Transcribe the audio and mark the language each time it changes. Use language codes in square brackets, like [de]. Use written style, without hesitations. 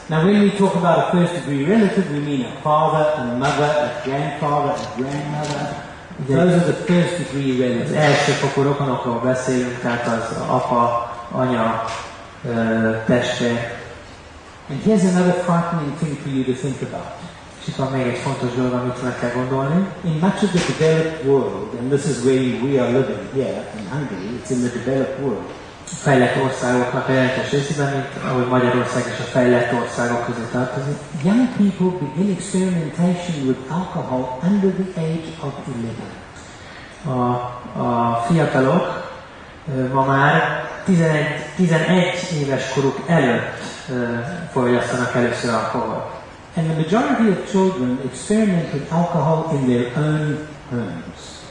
[en] Now when we talk about a first degree relative, we mean a father, a mother, a grandfather, a grandmother. Those are the first degree relatives. [hu] Az első fokú rokonokról beszélünk, tehát az apa, anya, testvér. [en] And here's another frightening thing for you to think about. [hu] És itt van még egy fontos dolog, amit meg kell gondolni. [en] In much of the developed world, and this is where we are living here in Hungary, it's in the developed world. [hu] A fejlett országoknak a jelentős részében, mint ahogy Magyarország és a fejlett országok között tartozik. [en] Young people begin experimentation with alcohol under the age of 11. [hu] A fiatalok ma már 11 éves koruk előtt fogyasztanak először alkohol. [en] And the majority of children experiment with alcohol in their own homes.